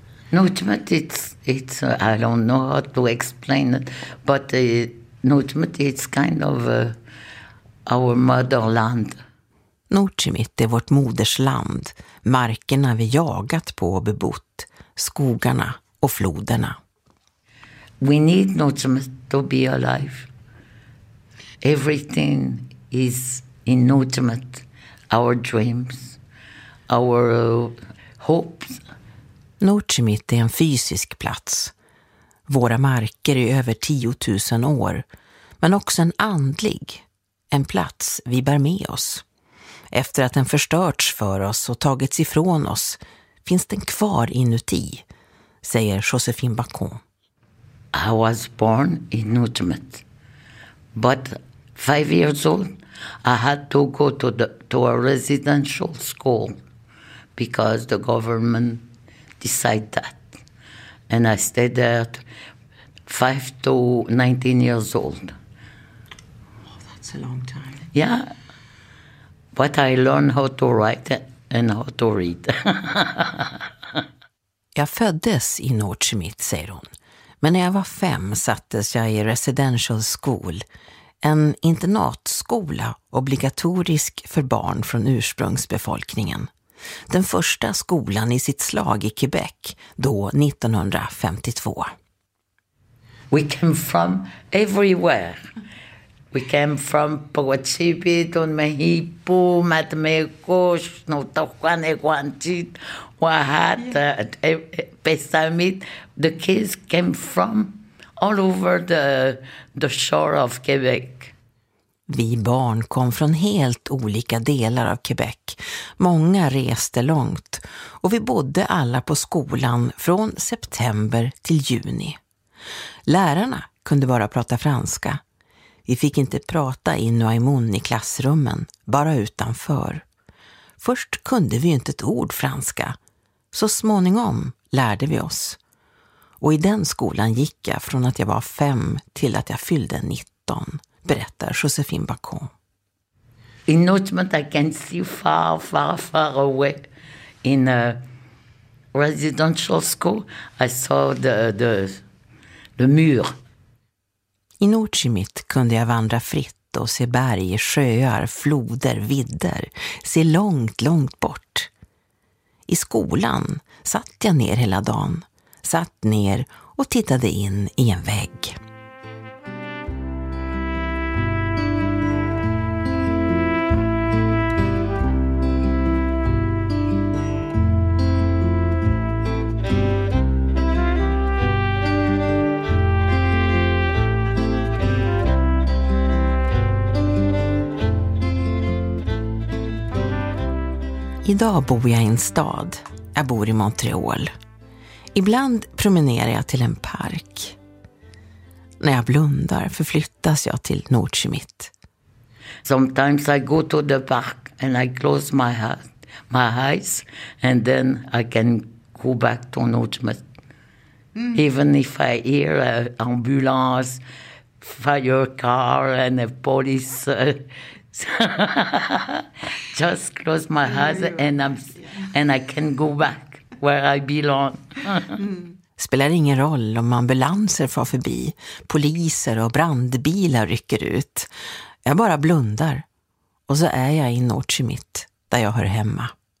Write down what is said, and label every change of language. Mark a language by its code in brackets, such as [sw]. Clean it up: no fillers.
[en] Nutjimit, it's I don't know how to explain it, but Nutjimit is kind of our motherland. [sv] Nutjimit är vårt modersland, markerna vi jagat på och bebott, skogarna och floderna. [en] We need Nutjimit to be alive. Everything is in Nutjimit, our dreams, our hopes. [sv] Nutjimit är en fysisk plats. Våra marker är över 10 000 år, men också en andlig, en plats vi bär med oss. Efter att den förstörts för oss och tagits ifrån oss, finns den kvar inuti, säger Josephine Bacon. [en] I was born in Nutjimit, but 5 years old, I had to go to a residential school because the government decided that. And I stayed there 5 to 19 years old. Oh, that's a long time. Yeah. But I learned how to write and how to read. [sv] Jag föddes i Nutjimit, säger hon. Men när jag var 5 sattes jag i residential school. En internatskola, obligatorisk för barn från ursprungsbefolkningen. Den första skolan i sitt slag i Quebec, då 1952. We came from everywhere. We came from Pohuachipi, Don Mejipu, Matmecos, Notahuan, Eguantit, Wahat, Pesamit. The kids came from all over the shore of Quebec. Vi barn kom från helt olika delar av Quebec. Många reste långt och vi bodde alla på skolan från september till juni. Lärarna kunde bara prata franska. Vi fick inte prata i Noaimun i klassrummen, bara utanför. Först kunde vi inte ett ord franska. Så småningom lärde vi oss. Och i den skolan gick jag från att jag var 5 till att jag fyllde 19, berättar Josephine Bacon. [en] In Notchmont I can see far, far, far away. In a residential school I saw the mur. [sv] I Nordkimit kunde jag vandra fritt och se berg, sjöar, floder, vidder. Se långt, långt bort. I skolan satt jag ner hela dagen. Satt ner och tittade in i en vägg. Idag bor jag i en stad. Jag bor i Montreal. Ibland promenerar jag till en park. När jag blundar förflyttas jag till Nordkimit. [en] Sometimes I go to the park and I close my eyes and then I can go back to Nordkimit. Even if I hear an ambulance, fire car and a police. Just close my eyes and I can go back where I belong. [sv] Spelar ingen roll om ambulanser far förbi, poliser och brandbilar rycker ut. Jag bara blundar och så är jag i Nordkimit där jag hör hemma.